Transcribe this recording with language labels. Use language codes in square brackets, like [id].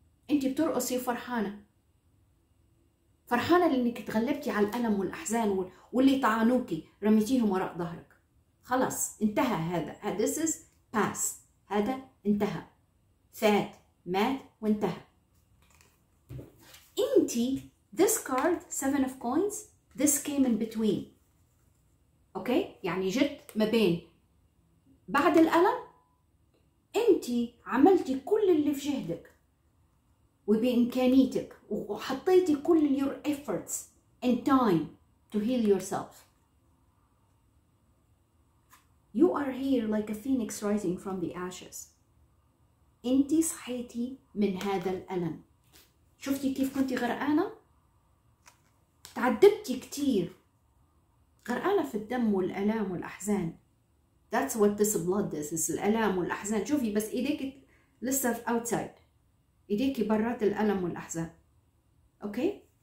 [ar] انت بترقصي فرحانه, فرحانه لانك تغلبتي على الالم والاحزان واللي طعنوكي رميتيهم وراء ظهرك. خلاص انتهى هذا. [en] This is past. [ar] هذا انتهى, فات, مات وانتهى. [en] انت this card seven of coins, this came in between. [ar] اوكي, يعني جت ما بين بعد الالم. انت عملتي كل اللي في جهدك وبإمكانيتك وحطيتي كل [en] your efforts and time to heal yourself. You are here like a phoenix rising from the ashes. [ar] انتي صحيتي من هذا الألم. شفتي كيف كنتي غرقانة؟ تعذبتي كتير, غرقانة في الدم والألام والأحزان. [en] That's what this blood is. It's [ar] الألام والأحزان. شوفي بس إيديك لسه في outside, إيديكي برات الألم والأحزان. أوكي؟